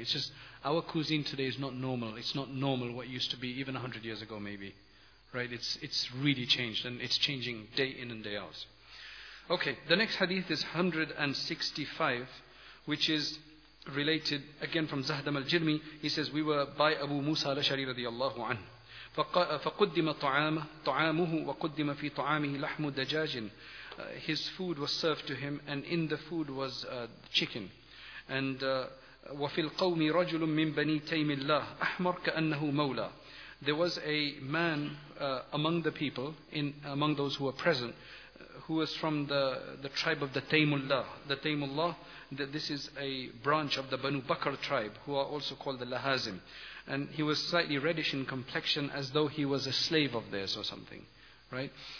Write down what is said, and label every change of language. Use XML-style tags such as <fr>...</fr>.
<en>It's just our cuisine today is not normal. It's not normal what used to be even 100 years ago maybe. Right? It's really changed and it's changing day in and day out. Okay, the next hadith is 165, which is related again from Zahdam al-Jirmi. He says, we were by Abu Musa al-Ash'ari radiallahu anhu.</en> <ar>فقدم طعامه وقدم في طعامه لحم دجاج.</ar> <en>His food was served to him, and in the food was chicken. And</en> <ar>وفي القوم رجل من بني تيم الله أحمر كأنه مولى.</ar> <en>There was a man among the people, among those who were present, who was from the tribe of the Taymullah. The Taymullah, this is a branch of the Banu Bakr tribe, who are also called the Lahazim. And he was slightly reddish in complexion, as though he was a slave of theirs or something, right?</en>